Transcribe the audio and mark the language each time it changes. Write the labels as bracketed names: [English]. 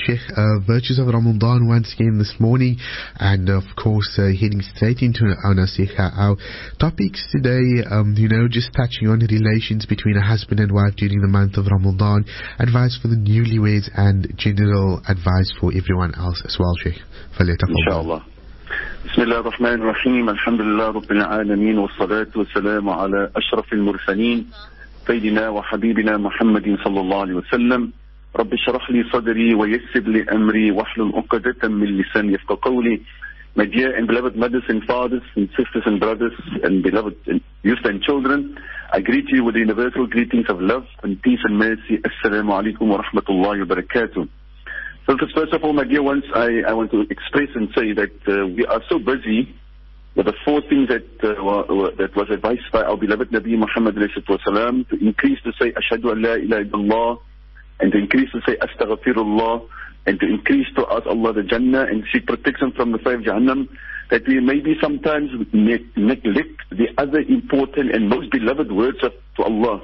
[English] Sheikh, Virtues of Ramadan once again this morning, and of course, heading straight into our nasihah. Our topics today, just touching on relations between a husband and wife during the month of Ramadan, advice for the newlyweds, and general advice for everyone else as well, Sheikh. Inshallah. [Arabic] بسم الله الرحمن الرحيم الحمد لله رب العالمين والصلاة والسلام على أشرف المرسلين سيدنا وحبيبنا محمد صلى الله عليه وسلم رب اشرح لي صدري ويسر لي أمري واحلل عقدة من لساني يفقه قولي. [English] My dear and beloved mothers and fathers and sisters and brothers and beloved youth and children, I greet you with universal greetings of love and peace and mercy. [Arabic] السلام عليكم ورحمة الله وبركاته. [English] So first of all, my dear ones, I want to express and say that we are so busy with the four things that that was advised by our beloved Nabi Muhammad wasalam, to increase to say Ashhadu an la ilaha illallah, and to increase to say Astaghfirullah, and to increase to ask Allah the Jannah and seek protection from the fire of Jahannam, that we maybe sometimes neglect the other important and most beloved words to Allah.